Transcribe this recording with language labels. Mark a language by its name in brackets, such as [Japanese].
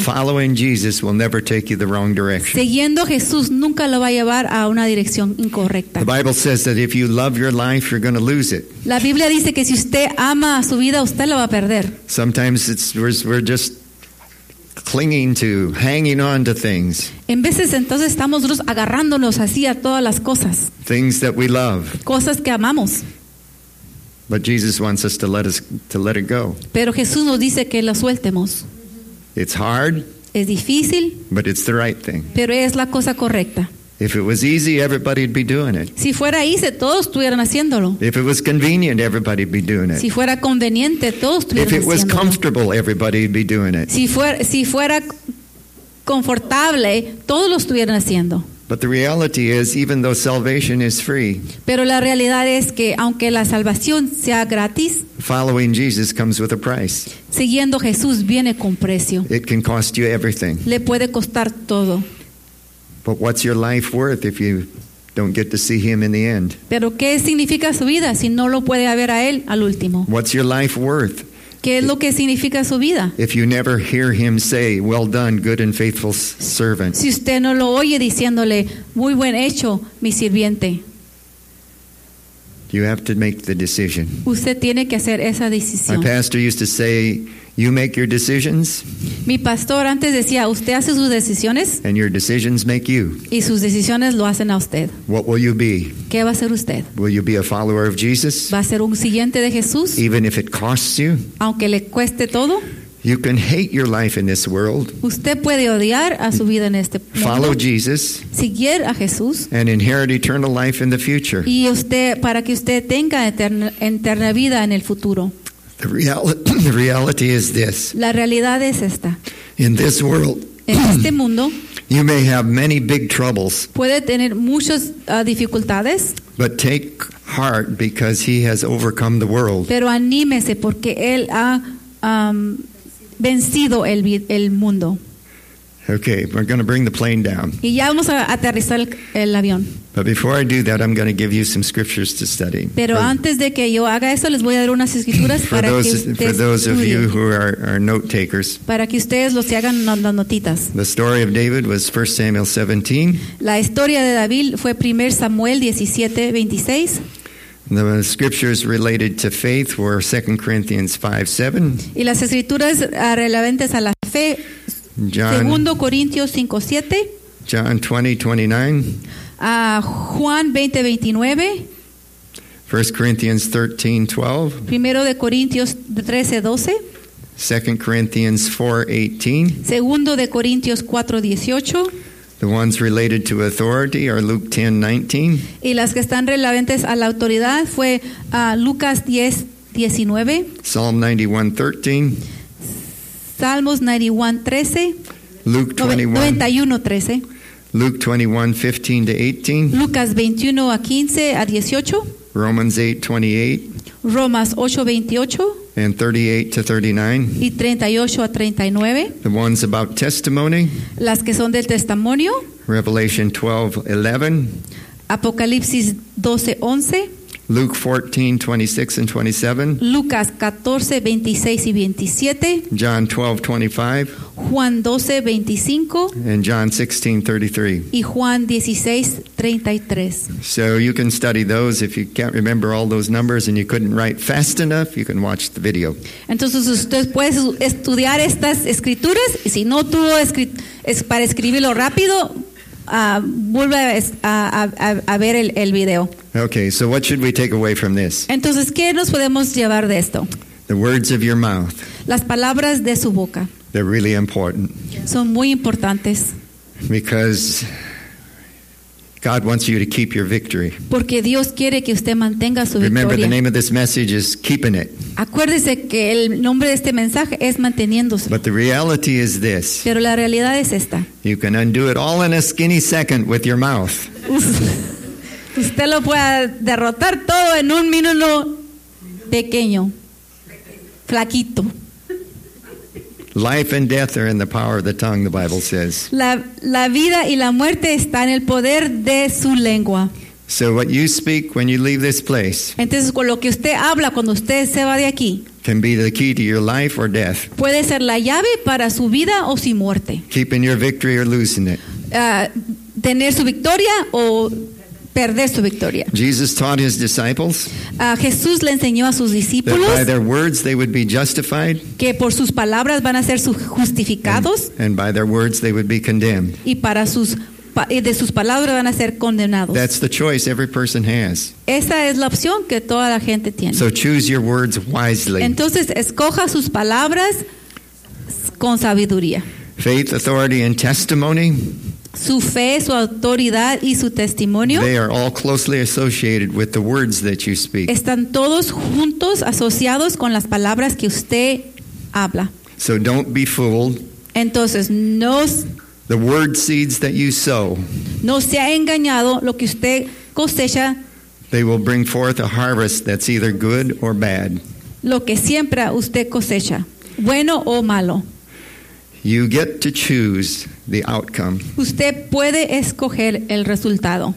[English] Following Jesus will never take you the wrong direction. [Spanish] Siguiendo Jesús nunca lo va a llevar a una dirección incorrecta. [English] The Bible says that if you love your life, you're going to lose it. [Spanish] La Biblia dice que si usted ama su vida, usted la va a perder. [English] Sometimes we're just clinging to, hanging on to things. [Spanish] En veces entonces estamos nosotros agarrándonos así a todas las cosas. [English] Things that we love. [Spanish] Cosas que amamos. [English] But Jesus wants us to let it go. [Spanish] Pero Jesús nos dice que lo sueltemos. [English] It's hard. [Spanish] Es difícil. [English] But it's the right thing. [Spanish] Pero es la cosa correcta. [English] If it was easy, everybody'd be doing it. [Spanish] Si fuera easy, todos estuvieran haciéndolo. [English] If it was convenient, everybody'd be doing it. [Spanish] Si fuera conveniente, todos estuvieran haciéndolo. [English] If it was comfortable, everybody'd be doing it. [Spanish] Si fuera confortable, todos lo estuvieran haciendo. [English] But the reality is, even though salvation is free, [Spanish] pero la realidad es que aunque la salvación sea gratis, [English] following Jesus comes with a price. [Spanish] Siguiendo Jesús viene con precio. [English] It can cost you everything. [Spanish] Le puede costar todo. [English] But what's your life worth if you don't get to see him in the end? [Spanish] Pero qué significa su vida si no lo puede ver a él al último? [English] What's your life worth? [Spanish] ¿Qué es lo que significa su vida? [English] If you never hear him say, well done, good and faithful servant. [Spanish] Si usted no lo oye diciéndole, muy buen hecho, mi sirviente. [English] You have to make the decision. [Spanish] Usted tiene que hacer esa decisión. [English] My pastor used to say, you make your decisions. [Spanish] Mi pastor antes decía, usted hace sus decisiones. [English] And your decisions make you. [Spanish] Y sus decisiones lo hacen a usted. [English] What will you be? [Spanish] ¿Qué va a ser usted? [English] Will you be a follower of Jesus? [Spanish] ¿Va a ser un siguiente de Jesús? [English] Even if it costs you. [Spanish] Aunque le cueste todo. [English] You can hate your life in this world. [Spanish] Usted puede odiar a su vida en este mundo. [English] Follow Jesus. [Spanish] Seguir a Jesús. [English] And inherit eternal life in the future. [Spanish] Y usted, para que usted tenga eterna vida en el futuro. [English] The reality is this. [Spanish] La realidad es esta. [English] In this world, [Spanish] en este mundo, [English] you may have many big troubles. [Spanish] Puede tener muchas dificultades. [English] But take heart because he has overcome the world. [Spanish] Pero anímese porque él ha vencido el mundo. [English] Okay, we're going to bring the plane down. [Spanish] Y ya vamos a aterrizar el avión. [English] But before I do that, I'm going to give you some scriptures to study. [Spanish] Pero antes de que yo haga eso, les voy a dar unas escrituras para que ustedes estudien. [English] For those of you who are note takers. [Spanish] Para que ustedes los hagan las notitas. [English] The story of David was 1 Samuel 17. [Spanish] La historia de David fue 1 Samuel 17:26. [English] The scriptures related to faith were 2 Corinthians 5:7. [Spanish] Y las escrituras relevantes a la fe. Segundo Corintios 5:7. [English] John 20:29. [Spanish] Juan 20:29. [English] 1 Corinthians 13:12. [Spanish] Primero de Corintios 13:12. [English] 2 Corinthians 4:18. [Spanish] Segundo de Corintios 4:18. [English] The ones related to authority are Luke 10:19. [Spanish] Y las que están relevantes a la autoridad fue Lucas 10:19. [English] Psalm 91:13. [Spanish] Salmos 91:13. [English] Luke 91:13. Luke 21:15-18. [Spanish] Lucas 21:15-18. [English] Romans 8:28. Romans 8:28. And 38-39. [Spanish] Y 38-39. [English] The ones about testimony. [Spanish] Las que son del testimonio. [English] Revelation 12:11. [Spanish] Apocalipsis 12:11. [English] Luke 14:26-27. [Spanish] Lucas 14:26-27. [English] John 12:25. [Spanish] Juan 12:25. [English] And John 16:33. [Spanish] Y Juan 16:33. [English] So you can study those. If you can't remember all those numbers and you couldn't write fast enough, you can watch the video. [Spanish] Entonces usted puede estudiar estas escrituras y si no tuvo para escribirlo rápido, vuelve a ver el video. [English] Okay, so what should we take away from this? [Spanish] Entonces, ¿qué nos podemos llevar de esto? [English] The words of your mouth. [Spanish] Las palabras de su boca. [English] They're really important. [Spanish] Son muy importantes. [English] Because God wants you to keep your victory. [Spanish] Porque Dios quiere que usted mantenga su victoria. [English] Remember, the name of this message is keeping it. [Spanish] Acuérdese que el nombre de este mensaje es manteniéndose. [English] But the reality is this. [Spanish] Pero la realidad es esta. [English] You can undo it all in a skinny second with your mouth. [Spanish] Usted lo puede derrotar todo en un minuto pequeño, flaquito. [English] Life and death are in the power of the tongue, the Bible says. [Spanish] La vida y la muerte está en el poder de su lengua. [English] So what you speak when you leave this place. [Spanish] Entonces con lo que usted habla cuando usted se va de aquí. [English] Can be the key to your life or death. [Spanish] Puede ser la llave para su vida o su muerte. [English] Keeping your victory or losing it. [Spanish] Tener su victoria o perder su victoria. [English] Jesus taught his disciples. [Spanish] Jesús le enseñó a sus discípulos. [English] That by their words they would be justified. [Spanish] Que por sus palabras van a ser justificados. [English] And by their words they would be condemned. [Spanish] Y para sus de sus palabras van a ser condenados. [English] That's the choice every person has. [Spanish] Esa es la opción que toda la gente tiene. [English] So choose your words wisely. [Spanish] Entonces escoja sus palabras con sabiduría. [English] Faith, authority, and testimony. [Spanish] Su fe, su autoridad y su testimonio. [English] They are all closely associated with the words that you speak. [Spanish] Están todos juntos asociados con las palabras que usted habla. [English] So don't be fooled. [Spanish] Entonces, no. [English] The word seeds that you sow. [Spanish] No se ha engañado lo que usted cosecha. [English] They will bring forth a harvest that's either good or bad. [Spanish] Lo que siembra usted cosecha, bueno o malo. [English] You get to choose the outcome. [Spanish] Usted puede escoger el resultado.